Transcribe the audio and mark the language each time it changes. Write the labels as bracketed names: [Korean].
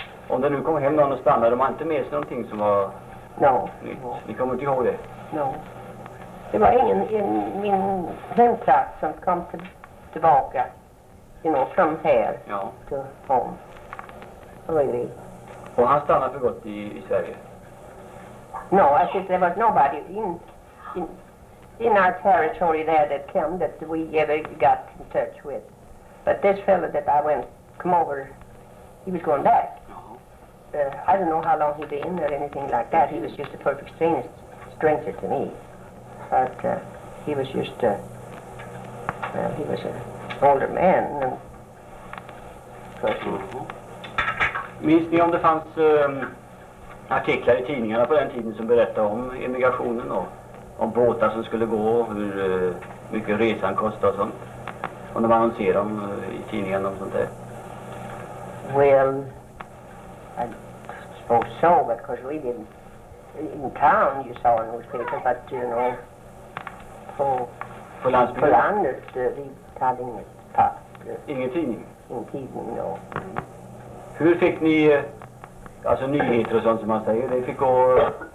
[Swedish] Om det nu kom hem någon och stannade, de har inte med sig någonting som var nytt. Ni kommer inte ihåg det? No. Det var ingen i min hemtrakt som kom tillbaka, [English] you know, from here to home. Really. [Swedish] Och han stannade för gott i Sverige? [English] No, I think there was nobody in our territory there that came that we ever got in touch with. But this fellow that I went, come over, he was going back. Uh-huh. I don't know how long he'd been or anything like that. He was just a perfect stranger to me. But he was just he was an older man. [Swedish] Minns ni om det fanns artiklar i tidningarna på den tiden som berättade om immigrationen då? Om båtar som skulle gå, hur mycket resan kostade och sånt. Och när man annonserade dem i tidningen och sånt där. [English] Well, I suppose so, because we didn't... In town you saw in those papers, but you know... [Swedish] På landsbygden? På landet, vi hade inget papp. Ingen tidning? Ingen tidning, no. Hur fick ni... alltså nyheter och sånt som man säger, det fick gå...